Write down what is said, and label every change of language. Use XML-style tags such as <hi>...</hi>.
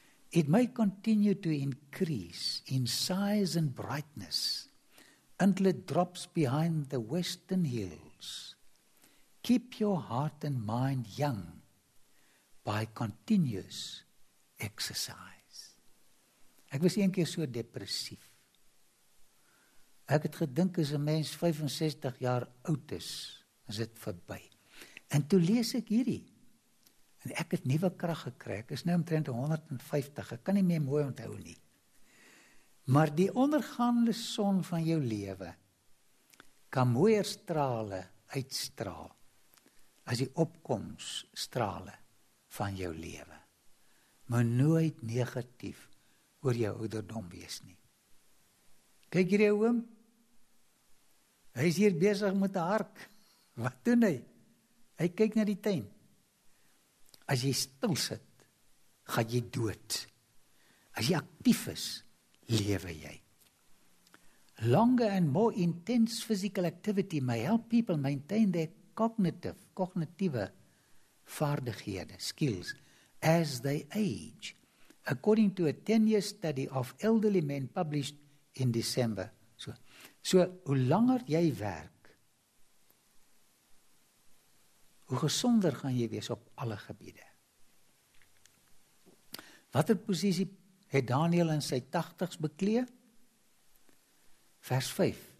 <en>It may continue to increase in size and brightness until it drops behind the western hills. Keep your heart and mind young by continuous exercise.</en> <af>Ek was een keer so depressief. Ek het gedink as 'n mens 65 jaar oud is, is dit verby. En toe lees ek hierdie. En ek het nuwe krag gekry. Ek is nou omtrent 150. Ek kan nie meer mooi onthou nie. Maar die ondergaande son van jou lewe kan mooier strale uitstraal as die opkomststrale van jou lewe. Moet nooit negatief oor jou ouderdom wees nie. Kyk hier jou oom. Hy is hier besig met 'n hark. Wat doen hy? Hy kyk na die tuin. As jy stil sit, gaan jy dood. As jy aktief is, lewe jy.</af> <en>Longer and more intense physical activity may help people maintain their cognitive vaardighede, skills, as they age, according to a 10-year study of elderly men published in December.</en> <af>So, hoe langer jy werk, hoe gesonder gaan jy wees op alle gebiede. Watter posisie het Daniel in sy 80's bekleed? Vers 5.</af>